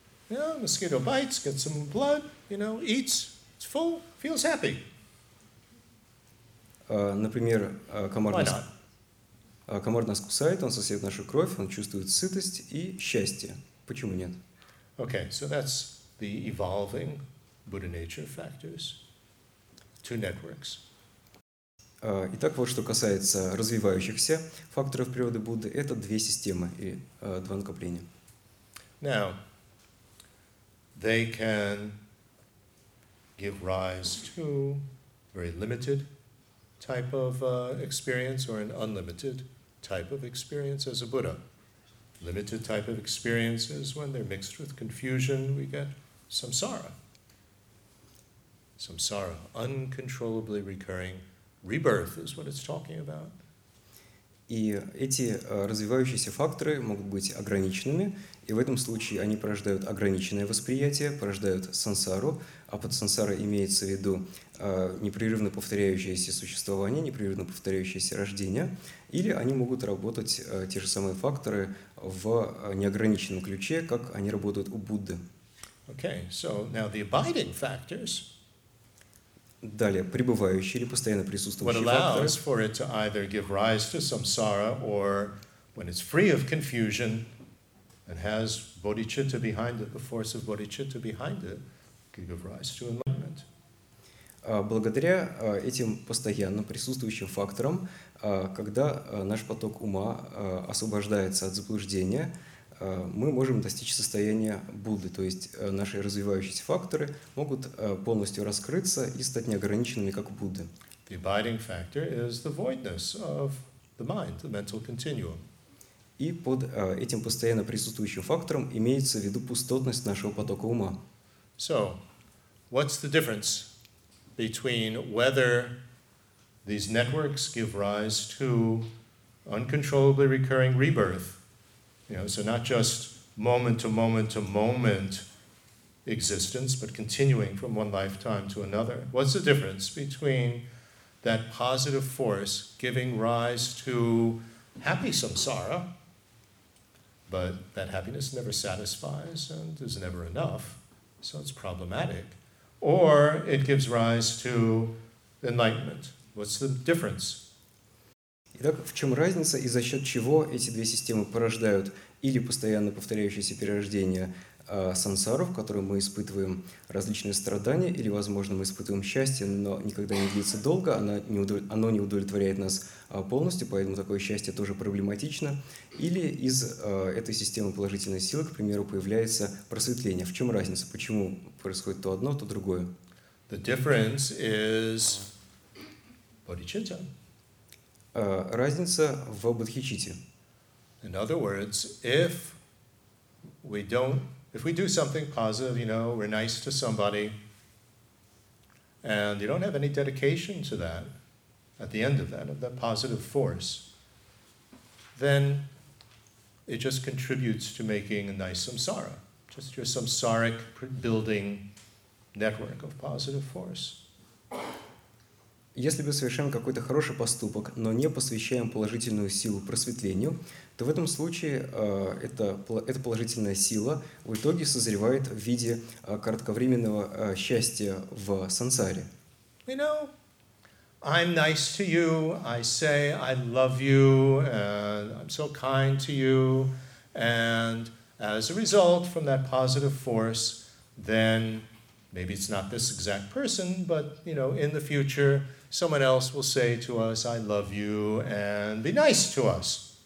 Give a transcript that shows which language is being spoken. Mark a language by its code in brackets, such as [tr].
[en] Yeah, mosquito bites, gets some blood, you know, eats, it's full, feels happy. [ru] Например, комар нас кусает, он сосет нашу кровь, он чувствует сытость и счастье. Почему нет? [en] Okay, so that's the evolving Buddha nature factors. Two networks. [ru] Итак, вот что касается развивающихся факторов природы Будды, это две системы и два накопления. [en] Now, they can give rise to very limited type of experience or an unlimited type of experience as a Buddha. Limited type of experience is when they're mixed with confusion, we get samsara. Samsara, uncontrollably recurring rebirth is what it's talking about. [ru] И эти развивающиеся факторы могут быть ограниченными, и в этом случае они порождают ограниченное восприятие, порождают сансару, а под сансарой имеется в виду непрерывно повторяющееся существование, непрерывно повторяющееся рождение, или они могут работать те же самые факторы в неограниченном ключе, как они работают у Будды. [en] Okay, so now the abiding factors. [ru] Далее, пребывающие или постоянно присутствующие факторы. [en] What allows for it to either give rise to samsara or when it's free of confusion and has bodhicitta behind it, the force of bodhicitta behind it, can give rise to enlightenment. [ru] Благодаря этим постоянно присутствующим факторам, когда наш поток ума освобождается от заблуждения, мы можем достичь состояния Будды, то есть наши развивающиеся факторы могут полностью раскрыться и стать неограниченными, как Будды. [en] The abiding factor is the voidness of the mind, the mental continuum. [ru] И под этим постоянно присутствующим фактором имеется в виду пустотность нашего потока ума. [en] So, what's the difference between whether these networks give rise to uncontrollably recurring rebirth? You know, so not just moment to moment to moment existence, but continuing from one lifetime to another. What's the difference between that positive force giving rise to happy samsara, but that happiness never satisfies and is never enough, so it's problematic, or it gives rise to enlightenment? What's the difference? [ru] Итак, в чем разница и за счет чего эти две системы порождают или постоянно повторяющиеся перерождения сансаров, в которой мы испытываем различные страдания, или, возможно, мы испытываем счастье, но никогда не длится долго, оно не удовлетворяет нас полностью, поэтому такое счастье тоже проблематично, или из этой системы положительной силы, к примеру, появляется просветление. В чем разница? Почему происходит то одно, то другое? [en] The difference is bodhicitta. [ru] Разница в бодхичитте. [en] In other words, if we do something positive, you know, we're nice to somebody, and you don't have any dedication to that, at the end of that positive force, then it just contributes to making a nice samsara, just your samsaric building network of positive force. [ru] Если мы совершаем какой-то хороший поступок, но не посвящаем положительную силу просветлению, то в этом случае эта положительная сила в итоге созревает в виде кратковременного счастья в сансаре. [en] You know, I'm nice to you, I say I love you, and I'm so kind to you, and as a result from that positive force, then maybe it's not this exact person, but, you know, in the future, someone else will say to us, I love you, and be nice to us.